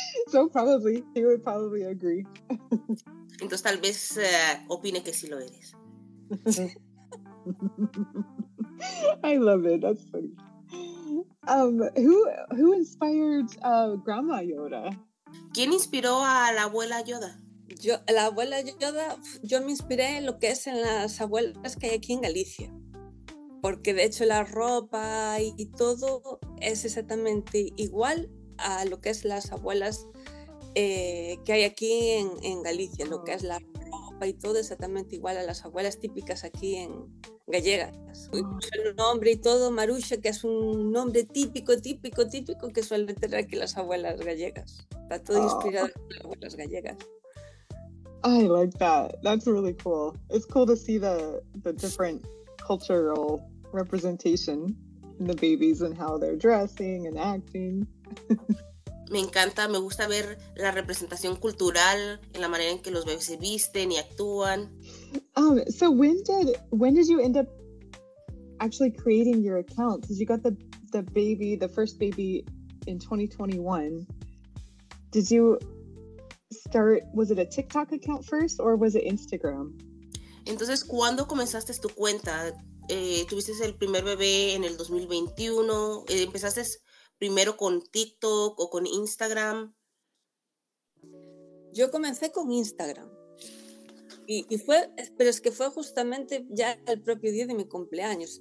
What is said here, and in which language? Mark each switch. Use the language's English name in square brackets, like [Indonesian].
[English] So probably, he would probably agree. [Spanish] Entonces tal vez opine que sí lo eres. [English] I love it, that's funny. Who inspired Grandma Yoda? [Spanish] ¿Quién inspiró a la abuela Yoda? Yo, la abuela Yoda, yo me inspiré en lo que es en las abuelas que hay aquí en Galicia. Porque de hecho la ropa y todo es exactamente igual a lo que es las abuelas que hay aquí en Galicia. Lo que es la ropa y todo exactamente igual a las abuelas típicas aquí en gallegas. Incluso el nombre y todo, Maruxa, que es un nombre típico, típico, típico que suelen tener aquí las abuelas gallegas. Está todo inspirado en las abuelas gallegas. [English] I like that. That's really cool. It's cool to see the different cultural representation in the babies and how they're dressing and acting. [Spanish] Me encanta, me gusta ver la representación cultural en la manera en que los bebés se visten y actúan. [English] So when did you end up actually creating your account? Because you got the first baby in 2021. Did you start, was it a TikTok account first or was it Instagram? [Spanish] Entonces, ¿cuándo comenzaste tu cuenta? ¿Tuviste el primer bebé en el 2021? ¿Empezaste primero con TikTok o con Instagram? Yo comencé con Instagram. Pero es que fue justamente ya el propio día de mi cumpleaños.